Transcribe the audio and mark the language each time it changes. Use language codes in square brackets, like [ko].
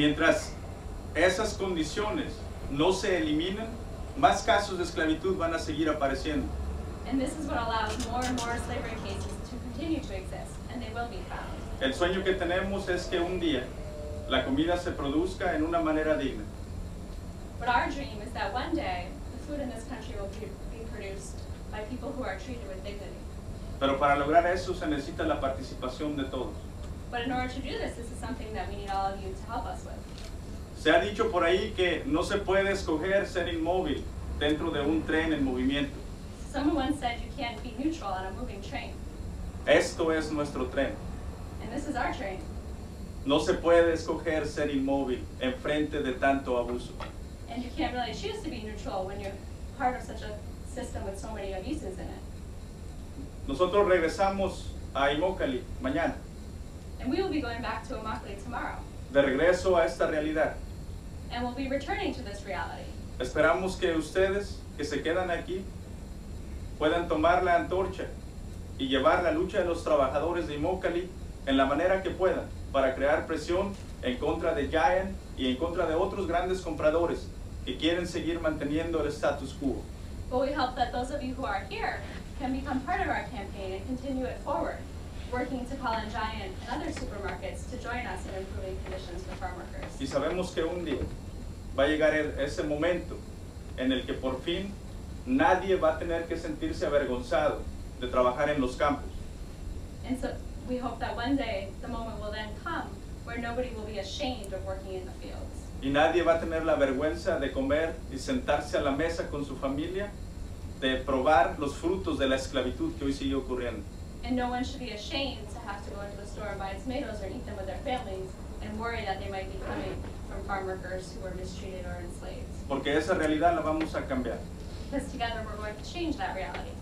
[es] Y mientras esas condiciones no se eliminan, más casos de esclavitud van a seguir apareciendo. [en] And this is what allows more and more slavery cases to continue to exist, and they will be found. [es] El sueño que tenemos es que un día la comida se produzca en una manera digna. [en] But our dream is that one day the food in this country will be produced by people who are treated with dignity. [es] Pero para lograr eso se necesita la participación de todos. [en] But in order to do this, this is something that we need all of you to help us with. [es] Se ha dicho por ahí que no se puede escoger ser inmóvil dentro de un tren en movimiento. [en] Someone said you can't be neutral on a moving train. [es] Esto es nuestro tren. [en] And this is our train. [es] No se puede escoger ser inmóvil en frente de tanto abuso. [en] And you can't really choose to be neutral when you're part of such a system with so many abuses in it. [es] Nosotros regresamos a Imokali mañana. [en] And we will be going back to Imokali tomorrow. [es] De regreso a esta realidad. [en] And we'll be returning to this reality. [es] Esperamos que ustedes que se quedan aquí puedan tomar la antorcha y llevar la lucha de los trabajadores de Imokali en la manera que puedan para crear presión en contra de Giant y en contra de otros grandes compradores que quieren seguir manteniendo el status quo. [en] But we hope that those of you who are here can become part of our campaign and continue it forward, working to call in Giant and other supermarkets to join us in improving conditions for farm workers. [es] Y sabemos que un día va a llegar ese momento en el que por fin nadie va a tener que sentirse avergonzado de trabajar en los campos. [en] And so we hope that one day the moment will then come where nobody will be ashamed of working in the fields. [es] Y nadie va a tener la vergüenza de comer y sentarse a la mesa con su familia, de probar los frutos de la esclavitud que hoy sigue ocurriendo. [en] And no one should be ashamed to have to go into the store and buy tomatoes or eat them with their families and worry that they might be coming from farm workers who were mistreated or enslaved. [es] Porque esa realidad la vamos a cambiar. [en] Because together we're going to change that reality.